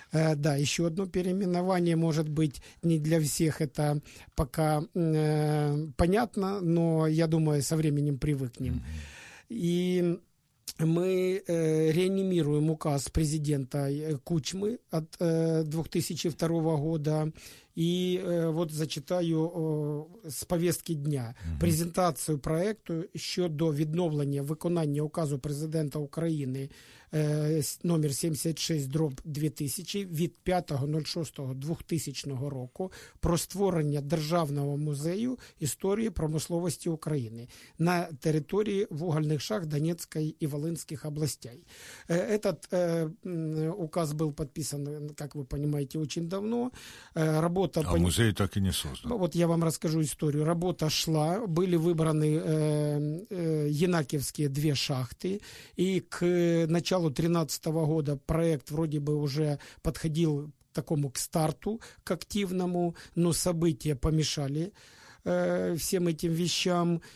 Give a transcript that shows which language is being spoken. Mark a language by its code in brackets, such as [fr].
[ru] Да, еще одно переименование. Может быть, не для всех это пока понятно, но, я думаю, со временем привыкнем. И мы реанимируем указ президента Кучмы от 2002 года. И вот зачитаю с повестки дня. [uk] Презентацию проекту щодо відновлення виконання указу президента України номер 76/2000 від 5.06.2000 року про створення Державного музею історії промисловості України на території вугольних шахт Донецької і Волинських областей. [ru] Этот указ [uk] був підписаний, як ви розумієте, дуже давно. [ru] работа... А музей так и не создан. Ну, вот я вам расскажу историю. Работа шла, были выбраны Енакиевские две шахты, и к началу 2013 года проект вроде бы уже подходил к такому к старту, к активному, но события помешали всем этим вещам.